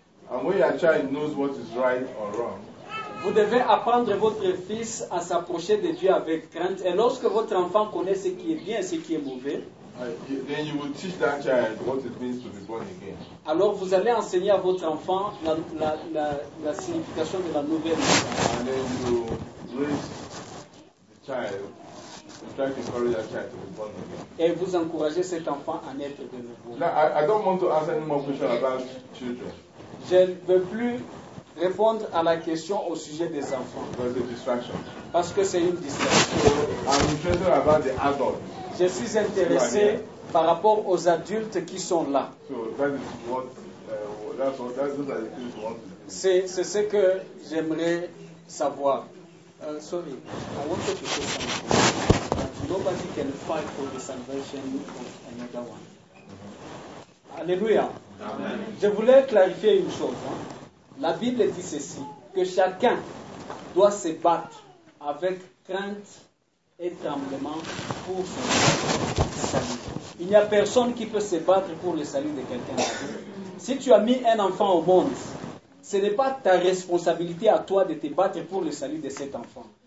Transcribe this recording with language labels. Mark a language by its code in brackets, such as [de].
[en] And when your child knows what is right or wrong, [fr] vous devez apprendre votre fils à s'approcher de Dieu avec crainte. Et lorsque votre enfant connaît ce qui est bien et ce qui est mauvais, [en] then you will teach that child what it means to be born again. [fr] Alors vous allez enseigner à votre enfant la signification de la nouvelle vie. [en] And then you raise the child, you try to encourage that child to be born again. [fr] Et vous encouragez cet enfant à naître de nouveau. [en] Now, I don't want to ask any more questions about children. [fr] Je ne veux plus répondre à la question au sujet des enfants. [en] Because of distractions. [fr] Parce que c'est une distraction. [en] I'm interested about the adults. [fr] Je suis intéressé par rapport aux adultes qui sont là. [en] So that is what, that's what [fr] C'est ce que j'aimerais savoir. [en] Sorry, I wanted to say something. Nobody can fight for the salvation of another one. Alléluia. Amen. [fr] Je voulais clarifier une chose. Hein. La Bible dit ceci, que chacun doit se battre avec crainte et tremblement pour son salut. Il n'y a personne qui peut se battre pour le salut de quelqu'un. Si tu as mis un enfant au monde, ce n'est pas ta responsabilité à toi de te battre pour le salut de cet enfant.